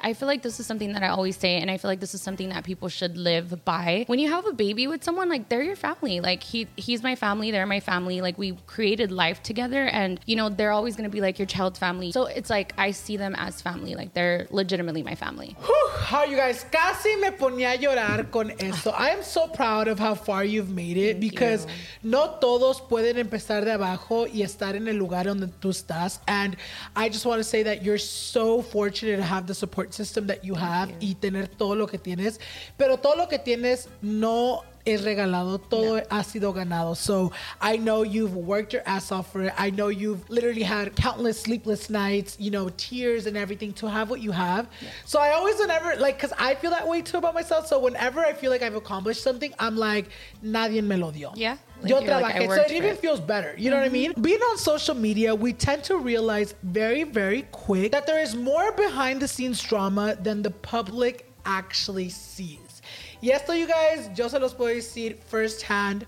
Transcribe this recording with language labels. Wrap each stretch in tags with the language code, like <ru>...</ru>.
<en>I feel like this is something that I always say, and I feel like this is something that people should live by. When you have a baby with someone, like they're your family. Like he's my family, they're my family. Like we created life together, and you know, they're always gonna be like your child's family. So it's like I see them as family, like they're legitimately my family. Whew, how are you guys?</en> <es>Casi me ponía a llorar con esto.</es> <en>I am so proud of how far you've made it. Thank because you.</en> <es>No todos pueden empezar de abajo y estar en el lugar donde tú estás.</es> <en>And I just want to say that you're so fortunate to have the support system that you have</en> <es>y tener todo lo que tienes, pero todo lo que tienes no es regalado, todo ha sido ganado.</es> <en>So I know you've worked your ass off for it. I know you've literally had countless sleepless nights, you know, tears and everything to have what you have. So I always, whenever, like, because I feel that way too about myself. So whenever I feel like I've accomplished something, I'm like,</en> <es>nadie me lo dio.</es> <en>Yeah. Like,</en> <es>yo trabajé,</es> <en>like, so it even feels better. You know what I mean? Being on social media, we tend to realize very, very quick that there is more behind the scenes drama than the public actually sees.</en> <es>Y esto,</es> <en>you guys,</en> <es>yo se los puedo decir</es> <en>firsthand.</en>